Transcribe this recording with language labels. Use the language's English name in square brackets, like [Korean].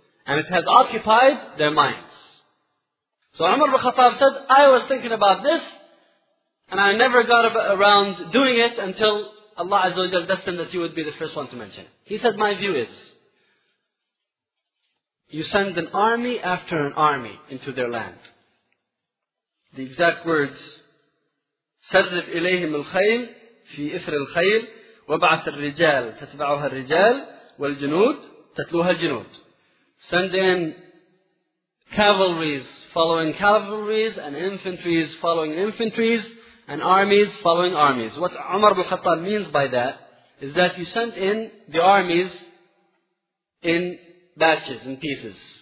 [English] And it has occupied their minds. So Umar ibn Khattab said, I was thinking about this, and I never got around doing it until Allah Azza wa Jalla destined that you would be the first one to mention it. He said, my view is, you send an army after an army into their land. The exact words, [Arabic] سَرِّفْ إِلَيْهِمُ الْخَيْلِ فِي إِثْرِ الْخَيْلِ وَبَعَثِ الرِّجَالِ تَتْبَعُهَا الرِّجَالِ وَالْجُنُودِ تَتْلُوهَا الْجُنُودِ. [English] Send in cavalries following cavalries and infantries following infantries, and armies following armies. What Umar ibn Khattab means by that is that you send in the armies in batches, in pieces.